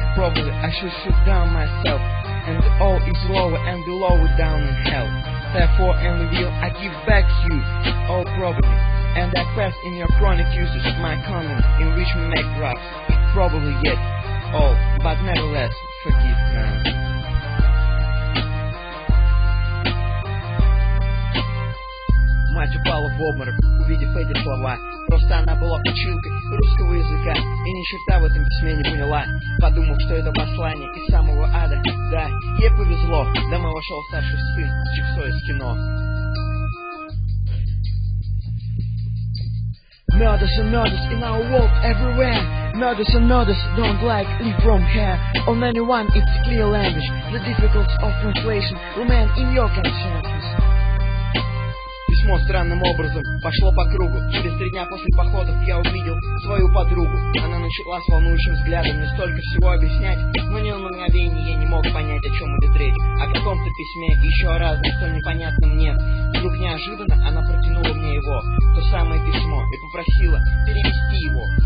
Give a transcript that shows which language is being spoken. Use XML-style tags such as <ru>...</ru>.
<en>Probably I should shoot down myself. And all is lower and below it down in hell. Therefore in the will I give back you all probably. And I pass in your chronic usage my comment in which we make drugs. It probably yet all, but nevertheless forgive man.</en> <ru>Мать упала в обморок, увидев эти слова. Просто она была училкой русского языка и ни черта в этом письме не поняла. Подумав, что это послание из самого ада. Да, ей повезло, домой вошел старший сын с чипсой из кино.</ru> <en>Murders and murders in our world everywhere. Murders and murders don't like live from here. On anyone it's clear language. The difficulties of translation remain in your consciousness.</en> <ru>Письмо странным образом пошло по кругу. Через 3 дня после походов я увидел свою подругу. Она начала с волнующим взглядом мне столько всего объяснять, но ни на мгновение я не мог понять, о чем идет речь. О каком-то письме, еще раз, столь непонятно мне. Вдруг неожиданно она протянула мне его, то самое письмо, и попросила перевести его.</ru>